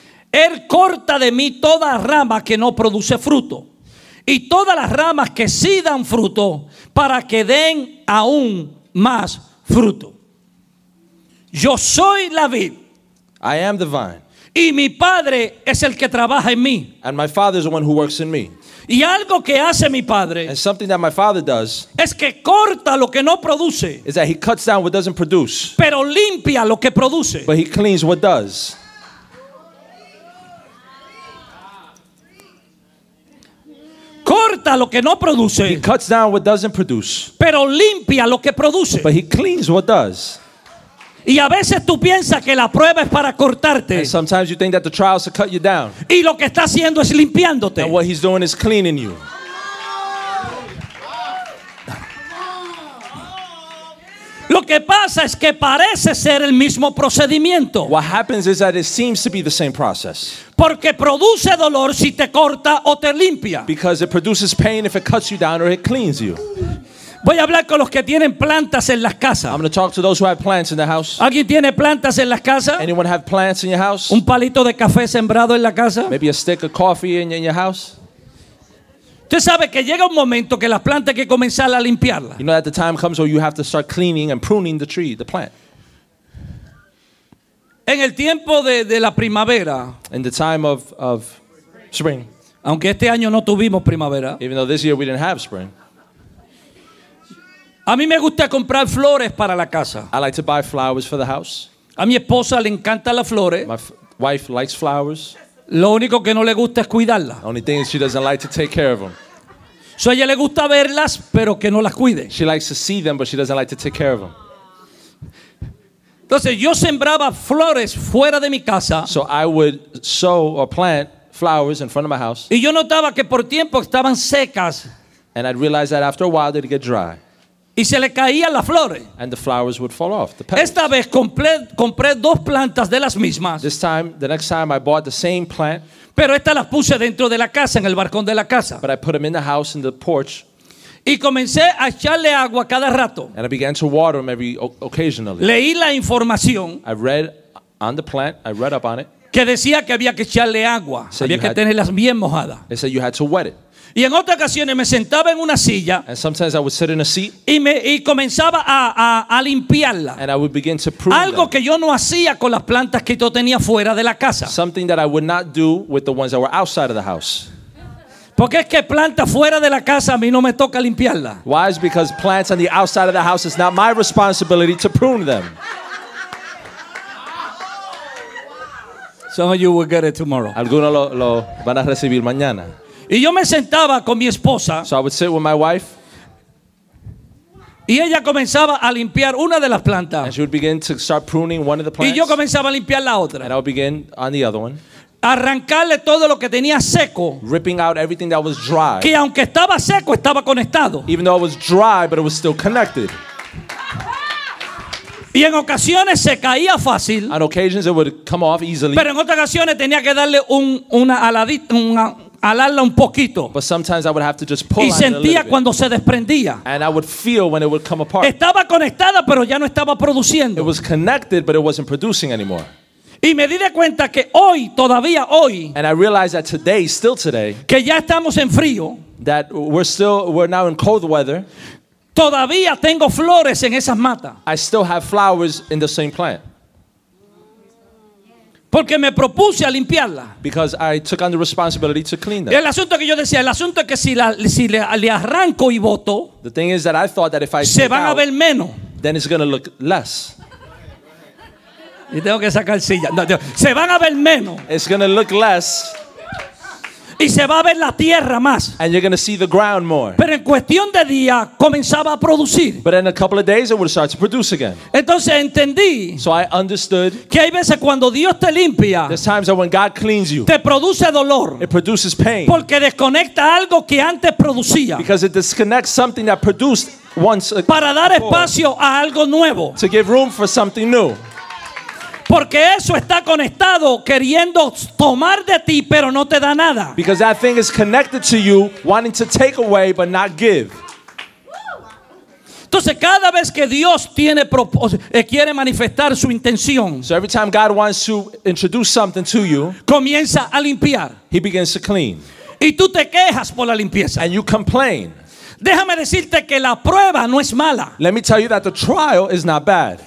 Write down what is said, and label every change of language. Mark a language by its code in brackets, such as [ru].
[es] Él corta de mí toda rama que no produce fruto. Y todas las ramas que sí dan fruto, para que den aún más fruto. Yo soy la vid. [en] I am the vine. [es] Y mi padre es el que trabaja en mí. [en] And my father is the one who works in me. [es] Y algo que hace mi padre, [en] and something that my father does, [es] es que corta lo que no produce, [en] is that he cuts down what doesn't produce. [es] Pero limpia lo que produce. [en] But he cleans what does. [es] Corta lo que no produce. [en] He cuts down what doesn't produce. [es] Pero limpia lo que produce. [en] But he cleans what does. [es] Y a veces tú piensas que la prueba es para cortarte. [en] And sometimes you think that the trial is to cut you down. [es] Y lo que está haciendo es limpiándote. [en] And what he's doing is cleaning you. [es] Lo que pasa es que parece ser el mismo procedimiento. [en] What happens is that it seems to be the same process. [es] Porque produce dolor si te corta o te limpia. [en] Because it produces pain if it cuts you down or it cleans you. [es] Voy a hablar con los que tienen plantas en las casas. [en] I'm going to talk to those who have plants in the house. [es] ¿Alguien tiene plantas en las casas? [en] Anyone have plants in your house? [es] ¿Un palito de café sembrado en la casa? [en] Maybe a stick of coffee in your house. [es] Usted sabe que llega un momento que las plantas hay que comenzar a limpiarlas. [en] You know that the time comes where you have to start cleaning and pruning the tree, the plant. [es] En el tiempo de la primavera. [en] In the time of spring. [es] Aunque este año no tuvimos primavera. [en] Even though this year we didn't have spring. [es] A mí me gusta comprar flores para la casa. [en] I like to buy flowers for the house. [es] A mi esposa le encantan las flores. [en] My wife likes flowers. [es] Lo único que no le gusta es cuidarlas. [en] The only thing is she doesn't like to take care of them. [es] So a ella le gusta verlas, pero que no las cuide. [en] She likes to see them, but she doesn't like to take care of them. [es] Entonces yo sembraba flores fuera de mi casa. [en] So I would sow or plant flowers in front of my house. [es] Y yo notaba que por tiempo estaban secas. [en] And I'd realize that after a while they'd get dry. [es] Y se le caían las flores. [en] And the flowers would fall off, the petals. [es] Esta vez compré dos plantas de las mismas. [en] This time, the next time I bought the same plant. [es] Pero esta las puse dentro de la casa, en el balcón de la casa. [en] But I put them in the house, in the porch. [es] Y comencé a echarle agua cada rato. [en] And I began to water them every occasionally. [es] Leí la información. [en] I read on the plant, I read up on it. [es] Que decía que había que echarle agua. Había que tenerlas bien mojadas. [en] It said you had to wet it. [es] Y en otras ocasiones me sentaba en una silla. [en] And sometimes I would sit in a seat. [es] Y comenzaba a limpiarla. [en] And I would begin to prune. [es] Algo [en] them. [es] Que yo no hacía con las plantas que yo tenía fuera de la casa. [en] Something that I would not do with the ones that were outside of the house. [es] Porque es que plantas fuera de la casa a mí no me toca limpiarla. [en] Why is because plants on the outside of the house is not my responsibility to prune them. Some of you will get it tomorrow. [es] Algunos lo van a recibir mañana. Y yo me sentaba con mi esposa. [en] So I would sit with my wife. [es] Y ella comenzaba a limpiar una de las plantas. [en] And she would begin to start pruning one of the plants. [es] Y yo comenzaba a limpiar la otra. [en] And I would begin on the other one. [es] Arrancarle todo lo que tenía seco. [en] Ripping out everything that was dry. [es] Que aunque estaba seco, estaba conectado. [en] Even though it was dry, but it was still connected. [es] Y en ocasiones se caía fácil. [en] On occasions it would come off easily. [es] Pero en otras ocasiones tenía que darle alarla un poquito. [en] But sometimes I would have to just pull. [es] Y sentía cuando se desprendía. [en] And I would feel when it would come apart. [es] Estaba conectada, pero ya no estaba produciendo. [en] It was connected, but it wasn't producing anymore. [es] Y me di de cuenta que hoy, todavía hoy. [en] And I realized that today, still today. [es] Que ya estamos en frío. [en] That we're now in cold weather. [es] Todavía tengo flores en esas matas. [en] I still have flowers in the same plant. [es] Porque me propuse a limpiarla. [en] Because I took on the responsibility to clean them. [es] El asunto que yo decía, el asunto es que si le arranco y boto, [en] the thing is that I thought that if I [es] se van [en] out, [es] a ver menos. [en] Then it's going to look less. [es] Y tengo que sacar silla. No, se van a ver menos. [en] It's going to look less. [es] Y se va a ver la tierra más. [en] And you're going to see the ground more. [es] Pero en cuestión de días comenzaba a producir. [en] But in a couple of days it would start to produce again. [es] Entonces entendí. [en] So I understood. [es] Que hay veces cuando Dios te limpia. [en] There's times that when God cleans you. [es] Te produce dolor. [en] It produces pain. [es] Porque desconecta algo que antes producía. [en] Because it disconnects something that produced once. [es] Para dar espacio a algo nuevo. [en] To give room for something new. [es] Porque eso está conectado queriendo tomar de ti, pero no te da nada. [en] Because that thing is connected to you, wanting to take away but not give. [es] Entonces cada vez que Dios tiene quiere manifestar su intención, [en] so every time God wants to introduce something to you, [es] comienza a limpiar. [en] He begins to clean. [es] Y tú te quejas por la limpieza. [en] And you complain. [es] Déjame decirte que la prueba no es mala. [en] Let me tell you that the trial is not bad.